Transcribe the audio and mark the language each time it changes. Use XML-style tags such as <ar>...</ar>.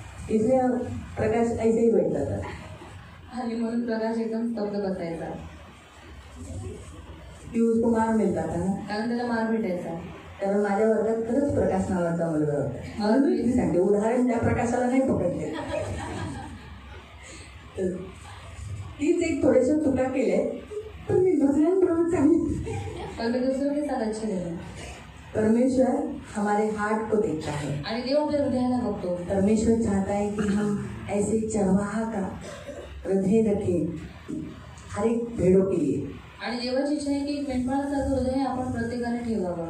<hi>इसलिए प्रकाश ऐसे ही बैठता था</hi> <mr>आणि म्हणून प्रकाश एकदम स्तब्ध बसायचा</mr> <hi>की उसको मार मिळता था ना</hi> <mr>कारण त्याला मार भेटायचा कारण माझ्या वर्गात खरंच प्रकाश नावाचा मुलगा होता म्हणून मी सांगते उदाहरण त्या प्रकाशाला नाही पकडले तीच एक थोडेशा चुका केले पण मी दुसऱ्यांप्रमाणे चांगली पण मी दुसऱ्यांनी साथ अच्छे दिले</mr> <hi>परमेश्वर हमारे हार्ट को देखता है</hi> <mr>आणि देव आपल्या हृदयाला बघतो</mr> <hi>परमेश्वर चाहता है कि हम ऐसे चरवाहा का हृदय रखे हर एक भेड़ों के लिए</hi> <mr>आणि देवाची इच्छा आहे की मेंढपाळाचा जो हृदय आपण प्रत्येकाने ठेवावा</mr>